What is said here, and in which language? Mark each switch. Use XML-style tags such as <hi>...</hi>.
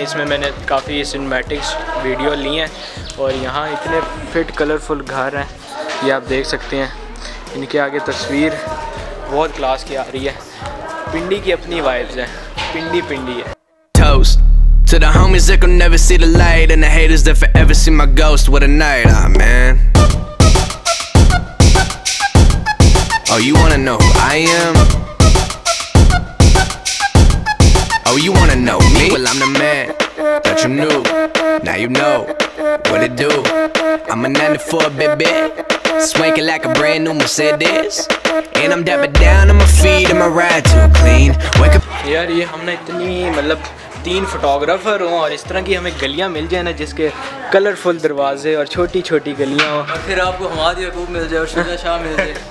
<hi>इसमें मैंने काफ़ी सिनेमैटिक्स वीडियो ली हैं, और यहाँ इतने फिट कलरफुल घर हैं, ये आप देख सकते हैं। इनके आगे तस्वीर बहुत क्लास की आ रही है। पिंडी की अपनी वाइब्स है, पिंडी पिंडी है।</hi> <en>Toast to the homies that could never see the light, and the haters that forever see my ghost. What a night, ah, man. Oh, you wanna know who I am? Oh, you wanna know me? Well, I'm the man, thought you knew. Now you know what it do. I'm a 94, baby, swanky like a brand new Mercedes. And I'm dabbing down on my feet and my ride too clean. Wake up.</en> <hi>यार ये हमने इतनी मतलब तीन photographer हों और इस तरह की हमें गलियां मिल जाए ना, जिसके कलरफुल दरवाजे और छोटी छोटी गलियां हों, और फिर आपको हमाद याकूब मिल जाए और शुजा शाह मिल जाए</hi>